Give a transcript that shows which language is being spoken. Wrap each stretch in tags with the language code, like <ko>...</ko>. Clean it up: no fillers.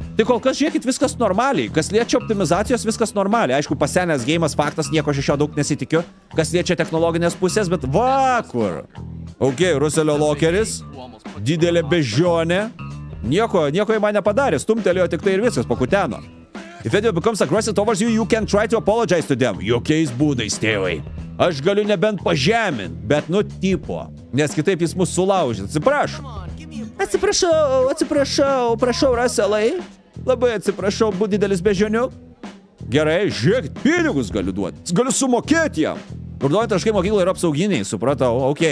<lt>Tai kol kas žiūrėkit, viskas normaliai, kas liečia optimizacijos, viskas normaliai. Aišku, pasenęs geimas faktas, nieko šešio daug nesitikiu, kas liečia technologinės pusės, bet va kur. Ok, Ruselio lokeris, didelė bežionė. Nieko į mane padarė, stumtelėjo tik tai ir viskas, pakuteno.</lt> <en>If anyone becomes aggressive towards you, you can try to apologize to them.</en> <lt>Jokiais būdais, tėvai. Aš galiu nebent pažemint, bet nu tipo. Nes kitaip jis mus sulaužė. Atsiprašau. Atsiprašau, prašau, Russellai. Labai atsiprašau, būt didelis bežioniuk. Gerai, žiūrėk, pinigus galiu duoti. Galiu sumokėti jam. Vardojant aškai mokyklai yra apsauginiai, supratau.</lt>